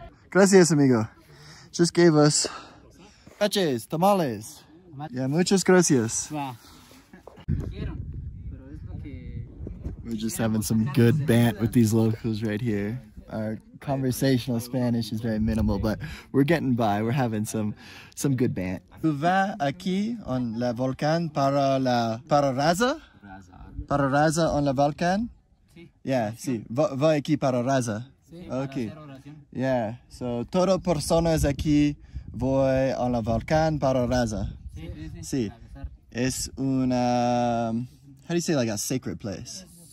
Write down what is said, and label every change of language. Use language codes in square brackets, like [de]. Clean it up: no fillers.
[es] Gracias, amigo. [en] Just gave us peches, tamales. [es] Yeah, muchas gracias. [en] We're just having some good banter with these locals right here. Our conversational Spanish is very minimal, but we're getting by. We're having some good banter. [es] ¿Tú vas aquí en el volcán para la para raza? Para raza en el volcán? Sí. Yeah, sí. Voy aquí para raza. [en] Okay. Yeah. [es] So, todo personas aquí voy a la volcán para raza. Sí. Es una. [en] How do you say like a sacred place?